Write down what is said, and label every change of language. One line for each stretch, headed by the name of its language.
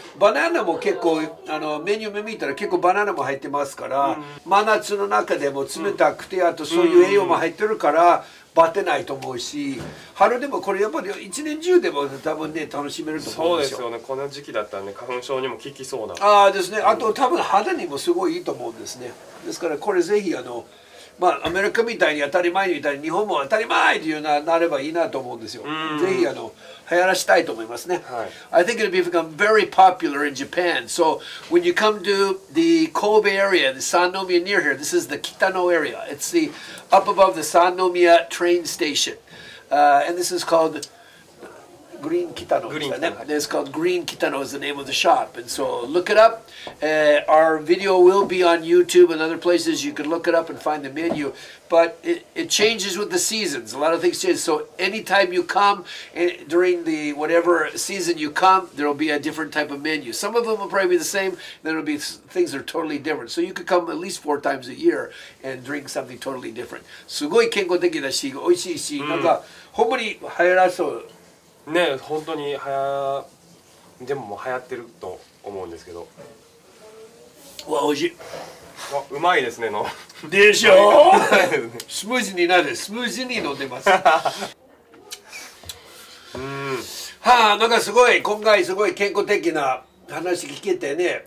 Japanese: バナナも結構メニュー見たら結構バナナも入ってますから、真夏の中でも冷たくて、あとそういう栄養も入ってるからバテないと思うし、春でもこれやっぱり一年中でも多分ね楽しめると思うんですよ。そうですよね、この時期だったらね、花粉症にも効きそうな、ああですね、あと多分肌にもすごいいいと思うんですね。ですからこれぜひまあアメリカみたいに当たり前みたいに、日本も当たり前というようななればいいなと思うんですよ。ぜひ流行らしたいと思いますね、はい、
English: I think it'll become very popular in Japan. So when you come to the Kobe area, the Sannomiya near here, this is the Kitano area. It's the up above the Sannomiya train station. And this is called Green Kitano. It's called Green Kitano is the name of the shop. And so look it up. Our video will be on YouTube and other places. You can look it up and find the menu. But it changes with the seasons. A lot of things change. So anytime you come, during the whatever season you come, there will be a different type of menu. Some of them will probably be the same. Then it will be things are totally different. So you could come at least four times a year and drink something totally different.
Japanese: すごい健康的だし、美味しいし、なんか本当に流行らそう。ね、本当に流行、でも流行ってると思うんですけど。うわ、美味しい。うまいですねのでしょスムージーになる、スムージーに飲んでますはあ、なんかすごい今回すごい健康的な話聞けてね。